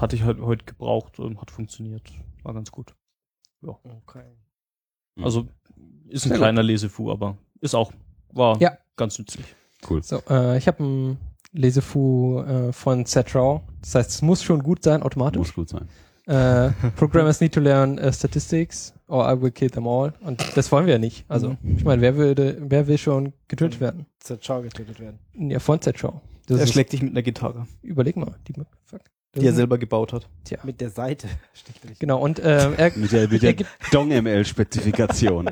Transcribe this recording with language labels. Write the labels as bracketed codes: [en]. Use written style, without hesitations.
[de] Hatte ich halt heute gebraucht und hat funktioniert. War ganz gut. Ja. Okay. Also ist ein kleiner Lesefu, aber ist auch, war ja ganz nützlich. Cool. So, ich habe ein Lesefu von Setraw. Das heißt, es muss schon gut sein, automatisch. Muss gut sein. [en] Programmers need to learn statistics or I will kill them all. [de] Und das wollen wir ja nicht. Also, ich meine, wer will schon getötet werden? Z-Chow getötet werden. Ja, von Z-Chow. Er schlägt dich mit einer Gitarre. Überleg mal, die [en] fuck. [de] Die er selber gebaut hat. Tja. Mit der Seite. Genau, und mit der DongML-Spezifikation.